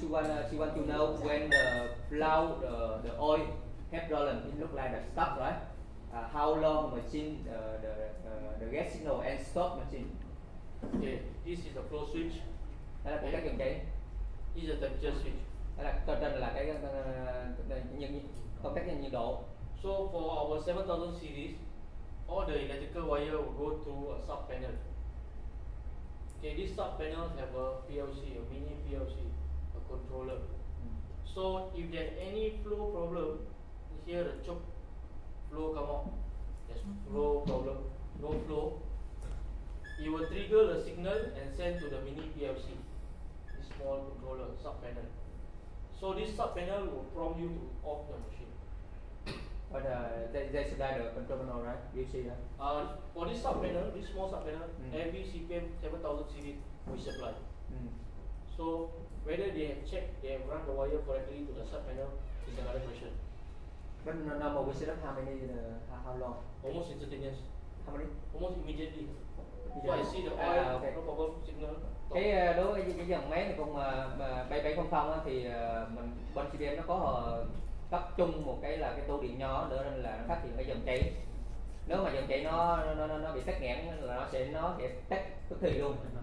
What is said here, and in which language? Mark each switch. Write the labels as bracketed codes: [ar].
[en] to know when the flow the oil have problem. It look like the stop, right? How long machine the gas signal and stop machine? Okay, this is the flow switch. [vi] Đây là cái cách điều chỉnh. [en] This is the temperature switch. [vi] Đây là cơ trên là cái công tác nhiệt độ. [en] So for our 7000 series, all the electrical wire will go through a sub panel. Okay, this sub panel have a PLC, a mini PLC, a controller. So if there's any flow problem, here the choke flow come out, there's flow problem, no flow, it will trigger the signal and send to the mini PLC, this small controller, sub panel. So this sub panel will prompt you to off the machine. But that's about the control panel, right? You see that? For this sub panel, this small sub panel, every CPM 7000 series we supply. So whether they have checked, they have run the wire correctly to the sub panel is another question. But normal we set up how many, how long? Almost instantaneous. How many? Almost immediately. So I see the oil, no problem signal. [vi] Cái đối với cái dòng máy này cũng 7700 thì mình bên CPM nó có cấp chung một cái là cái tủ điện nhỏ nữa nên là nó phát hiện cái dòng chảy. Nếu mà dòng chảy nó bị tắc nghẽn là nó sẽ tắc tức thì luôn.